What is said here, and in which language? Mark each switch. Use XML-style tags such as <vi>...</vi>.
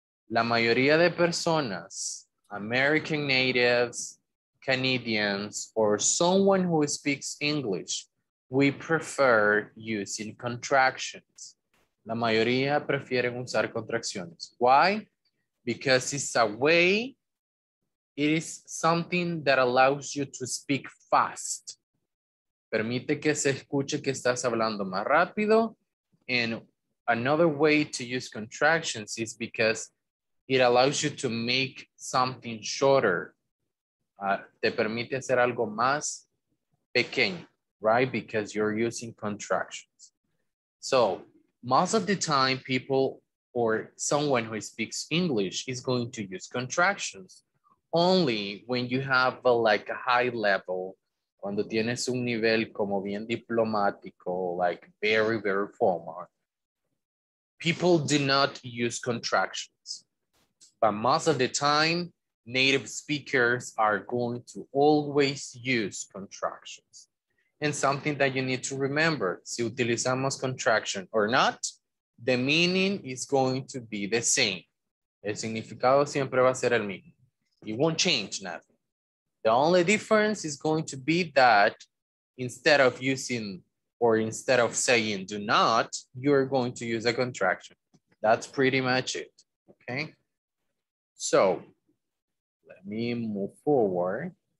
<es>La mayoría de personas,</es> <en>American natives, Canadians, or someone who speaks English, we prefer using contractions.</en> <es>La mayoría prefieren usar contracciones. Why?</es> <en>Because it's a way, it is something that allows you to speak fast.</en> <es>Permite que se escuche que estás hablando más rápido.</es> <en>And another way to use contractions is because it allows you to make something shorter.</en> <es>Te permite hacer algo más pequeño, right?</es> <en>Because you're using contractions. So most of the time people or someone who speaks English is going to use contractions only when you have a, like a high level,</en> <es>cuando tienes un nivel como bien diplomático,</es> <en>like very, very formal. People do not use contractions. But most of the time, native speakers are going to always use contractions. And something that you need to remember,</en> <es>si utilizamos</es> <en>contraction or not, the meaning is going to be the same.</en> <es>El significado siempre va a ser el mismo.</es> <en>It won't change nothing. The only difference is going to be that instead of using or instead of saying do not, you're going to use a contraction. That's pretty much it, okay? So, let me move forward.</en>